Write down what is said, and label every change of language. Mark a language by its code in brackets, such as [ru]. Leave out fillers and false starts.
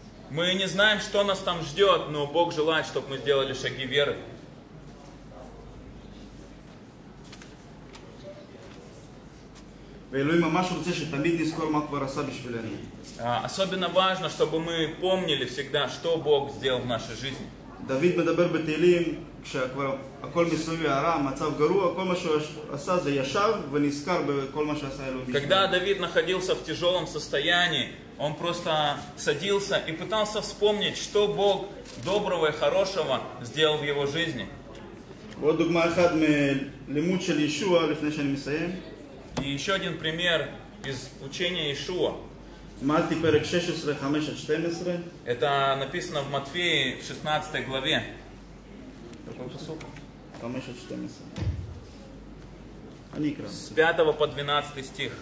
[ru] Мы не знаем, что нас там ждет, но Бог желает, чтобы мы сделали шаги веры. Особенно важно, чтобы мы помнили всегда, что Бог сделал в нашей жизни. [he] Давид מדבר בתהילים, כשכבר הכל מסביב הערה, מצב גרוע, כל מה שהוא עשה זה ישב ונזכר בכל מה שעשה אלוהים. [ru] Когда Давид находился в тяжелом состоянии, он просто садился и пытался вспомнить, что Бог доброго и хорошего сделал в его жизни. [he] Вот דוגמה אחת מלימוד של ישוע לפני שאני מסיים. [ru] И еще один пример из учения Иешуа. Матфея 16, 5-14. Это написано в Матфеи в 16 главе. Какой посыл? 5-14. С 5 по 12 стих.